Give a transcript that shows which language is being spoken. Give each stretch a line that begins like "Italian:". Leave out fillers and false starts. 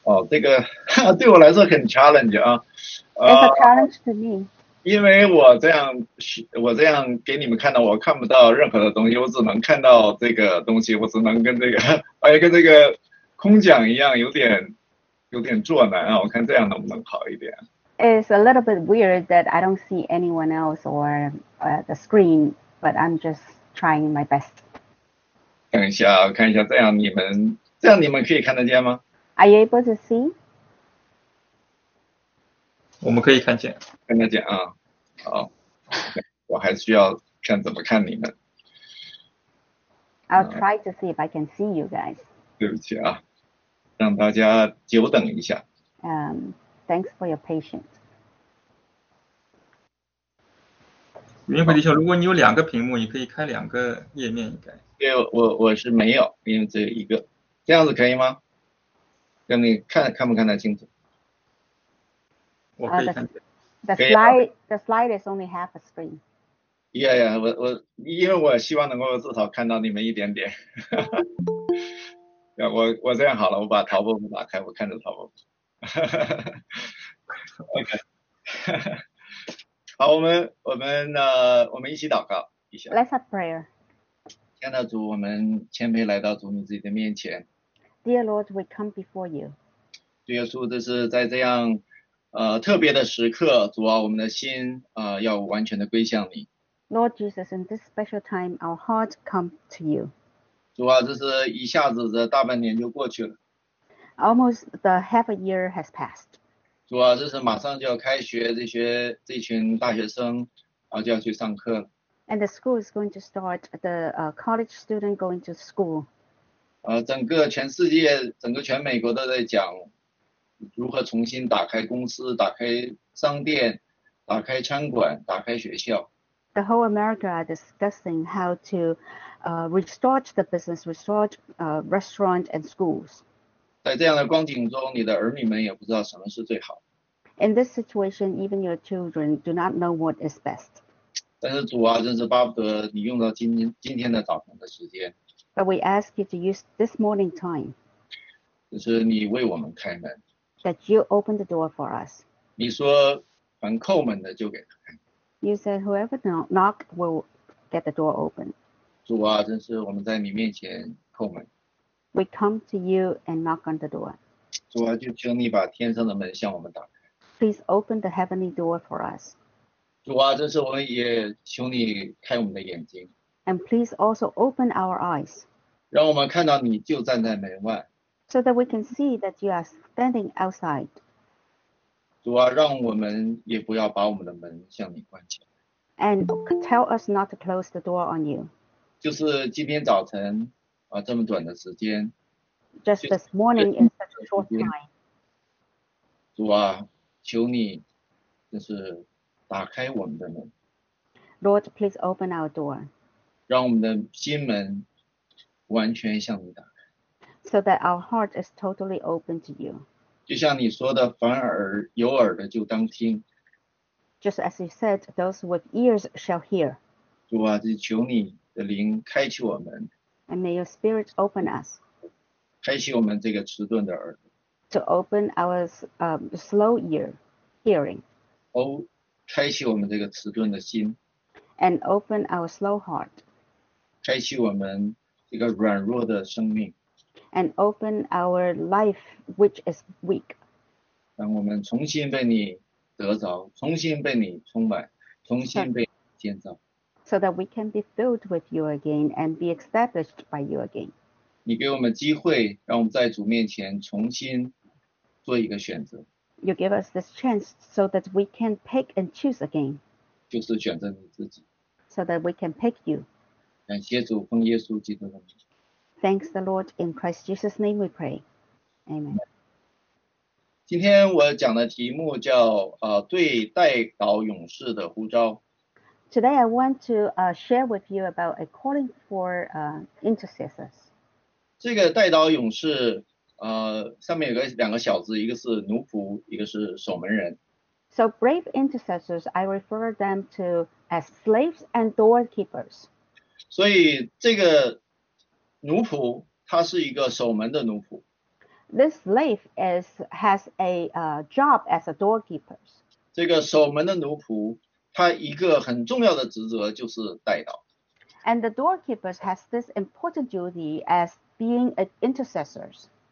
Chinese: 这个对我来说很
English: challenge
Chinese: 啊，
English: It's a challenge to me.
Chinese: 因为我这样给你们看到，我看不到任何的东西，我只能看到这个东西，我只能跟这个，跟这个空讲一样，有点坐难啊，我看这样能不能好一点。
English: It's a little bit weird that I don't see anyone else or the screen, but I'm just trying my best.
Chinese: 等一下，我看一下，这样你们可以看得见吗？
English: Are you able to see?
Chinese: 我们可以看见。看得见啊，好，我还需要看怎么看你们。
English: I'll try to see if I can see you guys.
Chinese: 对不起啊，让大家久等一下。
English: Thanks for your patience.
Chinese: 云飞弟兄，如果你有两个屏幕，你可以开两个页面应该。对，我是没有，因为只有一个，这样子可以吗？让你看不看得清楚？我可以看见。可以啊，
English: The slide is only half a screen.
Chinese: 因为我希望能够至少看到你们一点点，我这样好了，我把淘宝打开，我看着淘宝。 OK，好，我们一起祷告一下。
English: Let's have prayer.
Chinese: 天的主，我们谦卑来到主你自己的面前。
English: Dear Lord, we come before you.
Chinese: 主耶稣，这是在这样。特别的时刻，主啊，我们的心要完全的归向你。
English: Lord Jesus, in this special time, our hearts come to you.
Chinese: 主啊，这是一下子这大半年就过去了。
English: Almost the half a year has passed.
Chinese: 主啊，这是马上就要开学，这群大学生就要去上课
English: And the school is going to start, the college student going to school.
Chinese: 了。整个全世界，整个全美国都在讲。如何重新打开公司、打开商店、打开餐馆、打开学校？
English: The whole America are discussing how to restart the business, restart restaurant and schools.
Chinese: 在这样的光景中，你的儿女们也不知道什么是最好。
English: In this situation, even your children do not know what is best.
Chinese: 但是主啊，真是巴不得你用到今天的早晨的时间，
English: But we ask you to use this morning time
Chinese: 就是你为我们开门。
English: that you open the door for us.
Chinese: 你说凡叩门的就给他开。
English: You said whoever knocked will get the door open.
Chinese: 主啊，真是我们在你面前叩门。
English: We come to you and knock on the door.
Chinese: 主啊，就请你把天上的门向我们打开。
English: Please open the heavenly door for us.
Chinese: 主啊，真是我们也求你开我们的眼睛，
English: And please also open our eyes
Chinese: 让我们看到你就站在门外。
English: so that we can see that you are standing outside.
Chinese: 主啊，让我们也不要把我们的门向你关起来。
English: And tell us not to close the door on you.
Chinese: 就是今天早晨这么短的时间，
English: Just this morning is such a short time.
Chinese: 主啊，求你就是打开我们的门，
English: Lord, please open our door.
Chinese: 让我们的心门完全向你打开。
English: So that our heart is totally open to you.
Chinese: 就像你说的，凡耳有耳的就当听。
English: Just as you said, those with ears shall hear.
Chinese: 主啊，就求你的灵开启我们，
English: And may your spirit open us
Chinese: 开启我们这个迟钝的耳朵。
English: to open our slow ear hearing.
Chinese: 开启我们这个迟钝的心，
English: And open our slow heart.
Chinese: 开启我们这个软弱的生命。
English: And open our life, which is weak.
Chinese: 让我们重新被你得着，重新被你充满，重新被建造。
English: So that we can be filled with you again and be established by you again.
Chinese: 你给我们机会，让我们在主面前重新做一个选择。
English: You give us this chance so that we can pick and choose again.
Chinese: 就是选择你自己。
English: so that we can pick you.
Chinese: 感谢主，奉耶稣基督的名。
English: Thanks the Lord in Christ Jesus' name we pray. Amen.
Chinese: 今天我讲的题目叫对代祷勇士的呼召。
English: Today I want to share with you about a calling for intercessors.
Chinese: 这个代祷勇士上面有个两个小字，一个是奴仆，一个是守门人。
English: So brave intercessors, I refer them to as slaves and doorkeepers.
Chinese: 所以这个奴仆他是一个守门的奴仆。
English: This slave has a job as a doorkeeper.
Chinese: 这个守门的奴仆他一个很重要的职责就是代祷。
English: And the doorkeepers has this important duty as being intercessors.